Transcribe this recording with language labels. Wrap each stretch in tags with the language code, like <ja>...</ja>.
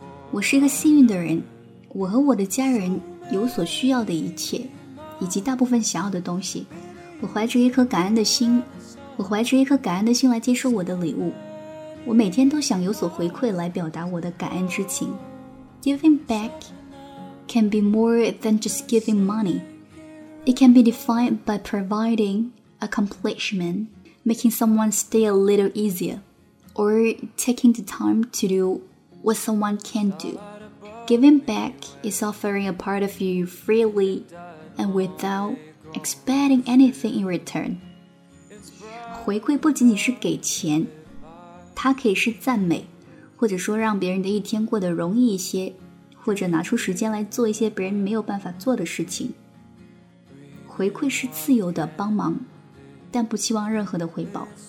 <zh>我是一个幸运的人，我和我的家人有所需要的一切，以及大部分想要的东西。我怀着一颗感恩的心，我怀着一颗感恩的心来接受我的礼物。我每天都想有所回馈来表达我的感恩之情。</zh> <en>Giving back can be more than just giving money. It can be defined by providing accomplishment, making someone's day a little easier, or taking the time to do what someone can't do. Giving back is offering a part of you freely and without expecting anything in return.</en> <zh>回馈不仅仅是给钱，它可以是赞美，或者说让别人的一天过得容易一些，或者拿出时间来做一些别人没有办法做的事情。回馈是自由的帮忙，但不期望任何的回报。</zh>